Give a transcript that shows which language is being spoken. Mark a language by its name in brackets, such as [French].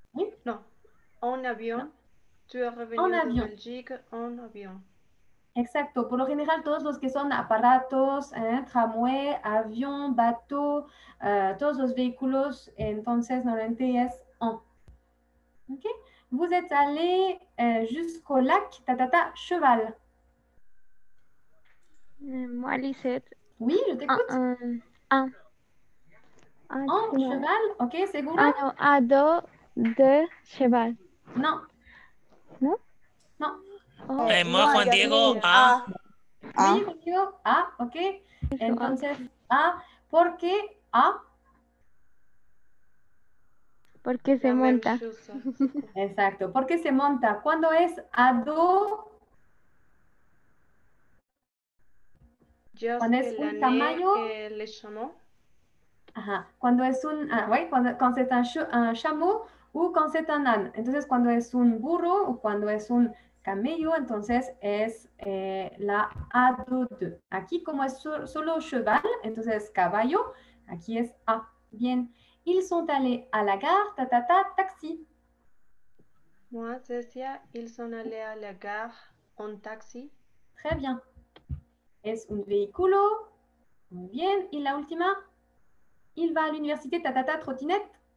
[Spanish] ¿Sí? No, en avión. No. [French] Tu es revenu en de avión. [Spanish] Belgique, en avión. Exacto, por lo general todos los que son aparatos, tramway, avión, bateau, todos los vehículos, entonces normalmente es en. [French] Ok, vous êtes allé jusqu'au lac, ta ta ta, cheval. Moi, Lisette. Oui, je t'écoute. En [Spanish] cheval, ok, seguro. [French] À dos de cheval. Non. Non? Non. [Spanish] Oh, moi, no, Juan Diego, A. Sí, Juan Diego, A, ok. Entonces, A, ¿por qué A? Porque se monta. Exacto, porque se monta. ¿Cuándo es A2? Yo cuando es un tamaño. [French] Le chameau. [Spanish] Ajá, cuando es un. Ah, oui, cuando es un chameau o cuando es un âne. Entonces, cuando es un burro o cuando es un. Camello, entonces es la A2. Aquí como es solo cheval, entonces caballo, aquí es A. Bien. [French] Ils sont allés à la gare, ta ta ta, taxi. Moi, Cecilia, ils sont allés à la gare en taxi. Très bien. [Spanish] Es un vehículo. Muy bien. Y la última. [French] Il va à l'université, ta ta ta, trottinette.